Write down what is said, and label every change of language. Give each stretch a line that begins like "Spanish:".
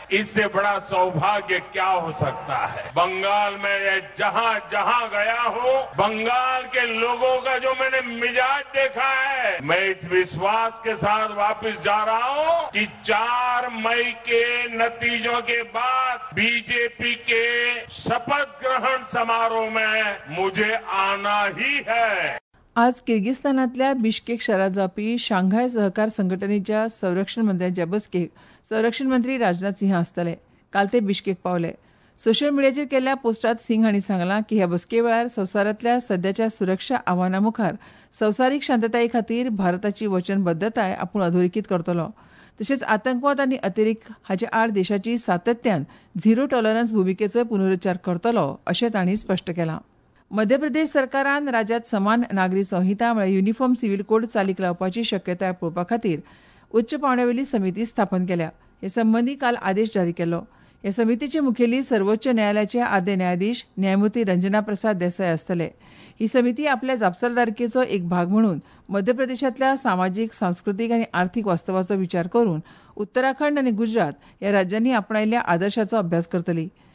Hindi: इससे बड़ा सौभाग्य क्या हो सकता है. बंगाल में जहां जहां गया हूं, बंगाल के लोगों का जो मैंने मिजाज देखा है, मैं इस विश्वास के साथ वापस जा रहा हूं कि 4 मई के नतीजों के बाद बीजेपी के शपथ ग्रहण समारोह में मुझे आना ही है.
Goan Konkani: आज किर्गिस्तानातल्या बिश्केक शहरात जावपी शांघाय सहकार संघटनेच्या संरक्षण मंत्र्यांच्या बसकेक संरक्षण मंत्री राजनाथ सिंह आसतले. काल ते बिश्केक पावले. सोशल मिडियाचेर केल्ल्या पोस्टात सिंह हांणी सांगला की ह्या बसके वेळार संवसारातल्या सध्याच्या सुरक्षा आव्हाना मुखार संवसारीक शांतताये खातीर भारताची वचनबद्धताय आपूण अधोरेखीत करतलो. तशेंच आतंकवाद आनी अतिरेक हाचे आड देशाची सातत्यान झिरो टॉलरन्स भुमिकेचोय पुनरुच्चार करतलो अशें तांणी स्पश्ट केलां. मध्य प्रदेश सरकारान राज्यात समान नागरी संहिता म्हळ्यार युनिफॉर्म सिव्हील कोड चालीक लावपाची शक्यताय पळोवपा खातीर उच्च पांवड्यावेली समिती स्थापन केल्या. हे संबंधी काल आदेश जारी केलो. हे समितीचे मुखेली सर्वोच्च न्यायालयाचे आद्य न्यायाधीश न्यायमूर्ती रंजना प्रसाद देसाय आसतले. ही समिती आपल्या जापसालदारकेचो एक भाग म्हणून मध्य प्रदेशातल्या सामाजिक, सांस्कृतिक आनी आर्थिक वास्तवाचो विचार करून उत्तराखंड आनी गुजरात ह्या राज्यांनी आपणायल्ल्या आदर्शाचो अभ्यास करतली.